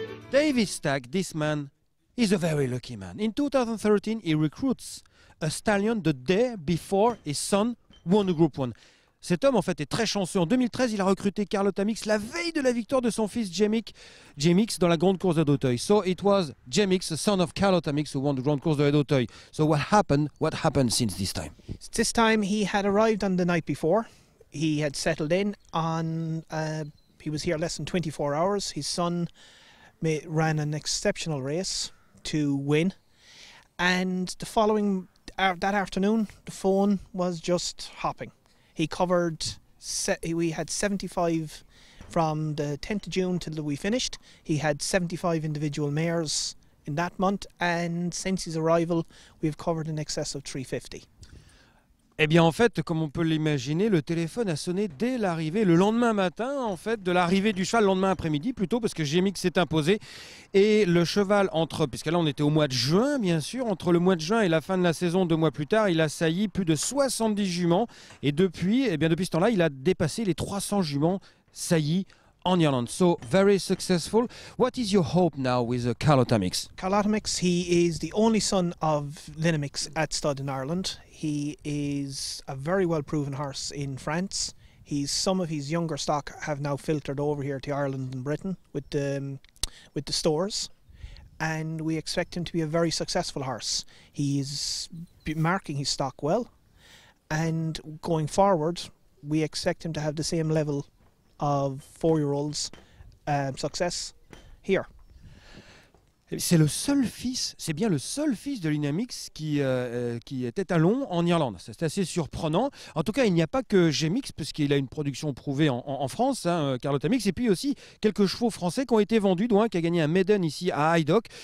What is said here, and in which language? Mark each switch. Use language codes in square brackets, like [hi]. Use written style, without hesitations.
[en] David Stack, this man, is a very lucky man. In 2013, he recruits a stallion the day before his son won the Group 1. [fr] Cet homme, en fait, est très chanceux. En 2013, il a recruté Carlotamix la veille de la victoire de son fils Jamix dans la grande course de Hauteuil. [en] So it was Jamix, the son of Carlotamix, who won the grand course de Hauteuil. So what happened since this time? This time, he had arrived on the night before. He had settled in on... he was here less than 24 hours. His son ran an exceptional race to win. And the following... that afternoon, the phone was just hopping. He covered, we had 75 from the 10th of June till we finished. He had 75 individual mares in that month. And since his arrival, we've covered in excess of 350. [fr] Eh bien, en fait, comme on peut l'imaginer, le téléphone a sonné dès l'arrivée, le lendemain matin, en fait, de l'arrivée du cheval, le lendemain après-midi plutôt, parce que Jamix s'est imposé. Et le cheval, entre, puisque là on était au mois de juin, bien sûr, entre le mois de juin et la fin de la saison, deux mois plus tard, il a sailli plus de 70 juments. Et depuis, eh bien, depuis ce temps-là, il a dépassé les 300 juments saillis en Irlande. [en] So, very successful. What is your hope now with Carlotamix? Carlotamix, he is the only son of Linamix at stud in Ireland. He is a very well-proven horse in France. Some of his younger stock have now filtered over here to Ireland and Britain with the stores. And we expect him to be a very successful horse. He is marking his stock well. And going forward, we expect him to have the same level of four-year-olds success here. [fr] C'est le seul fils, c'est bien le seul fils de Linamix qui est étalon en Irlande. C'est assez surprenant. En tout cas, il n'y a pas que Jamix, parce qu'il a une production prouvée en France, hein, Carlotamix, et puis aussi quelques chevaux français qui ont été vendus, dont un qui a gagné un maiden ici à Haydock.